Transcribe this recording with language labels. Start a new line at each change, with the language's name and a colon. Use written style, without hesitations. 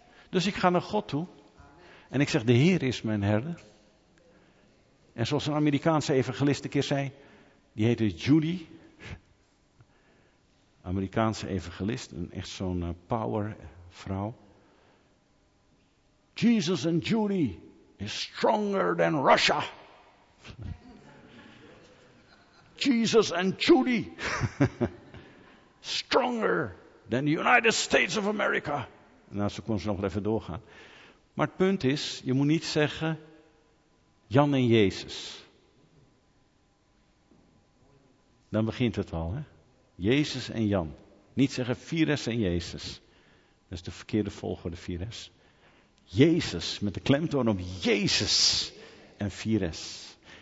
Dutch: Dus ik ga naar God toe en ik zeg, de Heer is mijn herder. En zoals een Amerikaanse evangelist een keer zei, die heette Judy. Amerikaanse evangelist, een echt zo'n power vrouw.
English: Jesus and Judy is stronger than Russia. Jesus and Judy stronger than the United States of America.
Dutch: Nou, zo kon ze nog even doorgaan. Maar het punt is, je moet niet zeggen Jan en Jezus. Dan begint het al, hè? Jezus en Jan. Niet zeggen Fires en Jezus. Dat is de verkeerde volgorde, Fires. Jezus, met de klemtoon op Jezus en Fires.